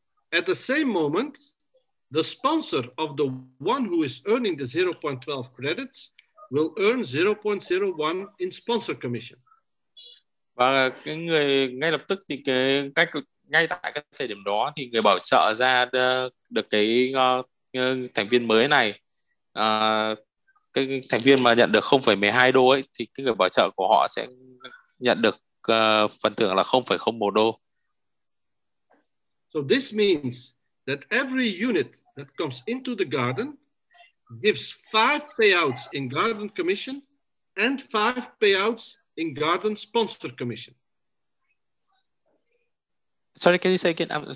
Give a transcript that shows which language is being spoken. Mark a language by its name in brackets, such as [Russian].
[English] At the same moment, the sponsor of the one who is earning the 0.12 credits will earn 0.01 in sponsor commission. [Vietnamese] Và cái người ngay lập tức thì cái cách ngay tại cái thời điểm đó thì người bảo trợ ra được cái thành viên mới này, cái thành viên mà nhận được 0.12 đô ấy, thì cái người bảo trợ của họ sẽ nhận được phần thưởng là 0.01 đô. [English] So this means that every unit that comes into the garden gives 5 payouts in garden commission and 5 payouts in garden sponsor commission. Sorry, can you say again?